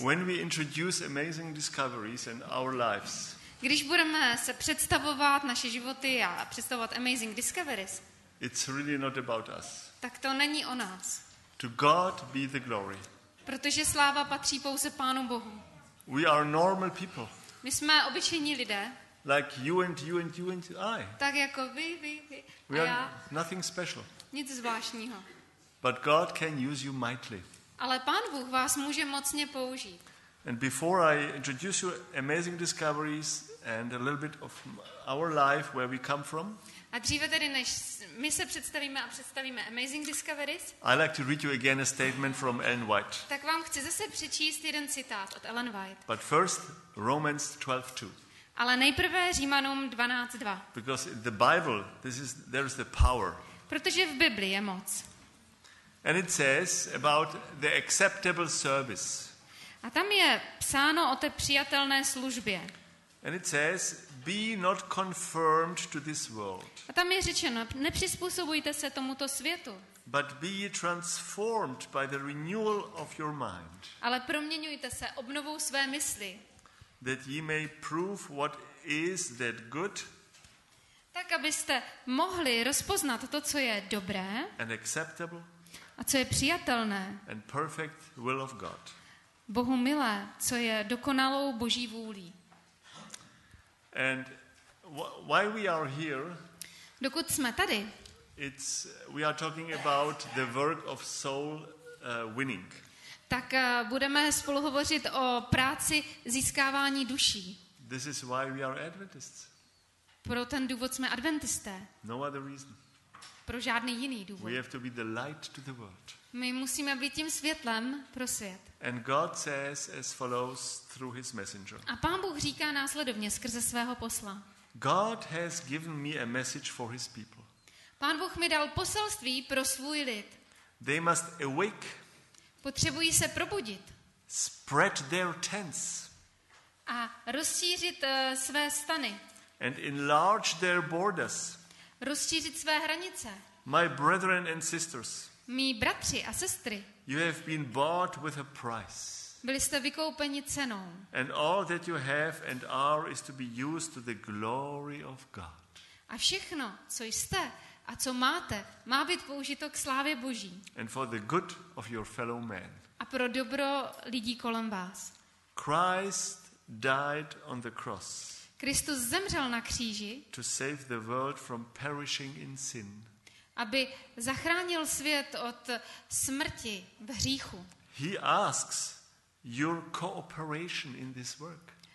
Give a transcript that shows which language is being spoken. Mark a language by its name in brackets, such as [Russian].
[English] When we introduce amazing discoveries in our lives. [Czech] Když budeme se představovat naše životy a představovat amazing discoveries. [English] It's really not about us. [Czech] Tak to není o nás. [English] To God be the glory. [Czech] Protože sláva patří pouze Pánu Bohu. [English] We are normal people. [Czech] My jsme obyčejní lidé. [English] Like you and you and you and I. [Czech] Tak jako vy [English] we [Czech] a já. [English] Are nothing special. [Czech] Nic zvláštního. [English] But God can use you mightily. [Czech] Ale Pán Bůh vás může mocně použít. [English] And before I introduce you amazing discoveries and a little bit of our life where we come from. [Czech] A dříve tedy než my se představíme a představíme amazing discoveries. [English] I'd like to read you again a statement from Ellen White. [Czech] Tak vám chci zase přečíst jeden citát od Ellen White. [English] But first Romans 12:2. [Czech] Ale nejprve Římanům 12:2. [English] Because in the Bible there is the power. [Czech] Protože v Biblii je moc. [English] And it says about the acceptable service. [Czech] A tam je psáno o té přijatelné službě. [English] And it says be not conformed to this world. [Czech] A tam je řečeno nepřizpůsobujte se tomuto světu. [English] But be transformed by the renewal of your mind. [Czech] Ale proměňujte se obnovou své mysli. [English] That ye may prove what is that good. [Czech] Tak abyste mohli rozpoznat to, co je dobré. [English] And acceptable. [Czech] A co je přijatelné. [English] And perfect will of God. [Czech] Bohu milé, co je dokonalou Boží vůlí. [English] And why we are here? [Czech] Dokud jsme tady? [English] It's we are talking about the work of soul winning. [Czech] Tak budeme spolu hovořit o práci získávání duší. [English] This is why we are Adventists. [Czech] Pro ten důvod jsme adventisté. [English] No other reason. [Czech] Pro žádný jiný důvod. [English] We have to be the light to the world. [Czech] My musíme být tím světlem pro svět. [English] And God says as follows through his messenger. [Czech] A Pán Bůh říká následovně skrze svého posla. [English] God has given me a message for his people. [Czech] Pán Bůh mi dal poselství pro svůj lid. [English] They must awake. [Czech] Potřebují se probudit. [English] Spread their tents. [Czech] A rozšířit své stany. [English] And enlarge their borders. [Czech] Rozšířit své hranice. [English] My brethren and sisters. [Czech] Mí bratři a sestry. [English] You have been bought with a price. [Czech] Byli jste vykoupeni cenou. [English] And all that you have and are is to be used to the glory of God. [Czech] A všechno, co jste a co máte, má být použito k slávě Boží. [English] And for the good of your fellow man. [Czech] A pro dobro lidí kolem vás. [English] Christ died on the cross. [Czech] Kristus zemřel na kříži. [English] To save the world from perishing in sin. [Czech] Aby zachránil svět od smrti v hříchu. [English] He asks your cooperation in this work.